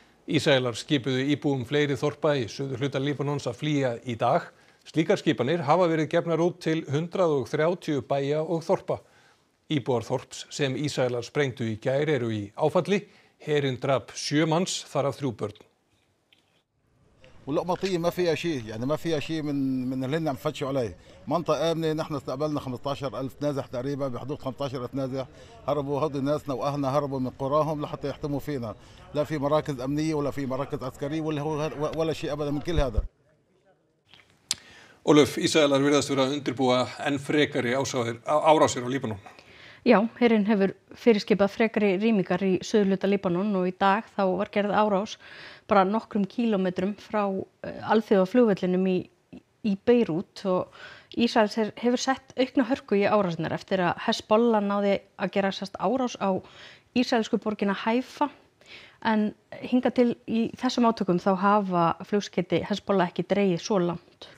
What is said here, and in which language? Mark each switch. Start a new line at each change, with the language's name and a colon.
Icelandic: Ísraelar skipuðu íbúum fleiri þorpa í suður hluta Líbanons að flýja í dag. Slíkar skipanir hafa verið gefnar út til 130 bæja og þorpa. Íbúar þorps sem Ísraelar sprengdu í gær eru í áfalli, herinn drap 7 manns þar af 3 börn.
Arabic: واللقمطيه ما فيها شيء يعني ما فيها شيء من اللي عم فتشوا عليه منطقه امنه نحن استقبلنا 15000 نازح تقريبا بحدود 15000 نازح هربوا هذول الناس واهلنا هربوا من قراهم لحتى يحتموا فينا لا في مراكز امنيه ولا في مراكز عسكريه ولا هو ولا شيء ابدا من كل هذا اولف اسرائيل
Icelandic: virðast vera undirbúa enn frekari árásir á Líbanon. Já, herinn hefur fyrirskipað frekari rýmingar í suðurhluta Líbanon og í dag þá var gerð árás bara nokkrum kílómetrum frá alþjóðaflugvellinum í Beirút og Ísraels hefur sett aukna hörku í árásinnar eftir að Hezbollah náði að gera sérst árás á ísraelsku borgina Haifa en hinga til í þessum átökum þá hafa flugskeyti Hezbollah ekki dregið svo langt.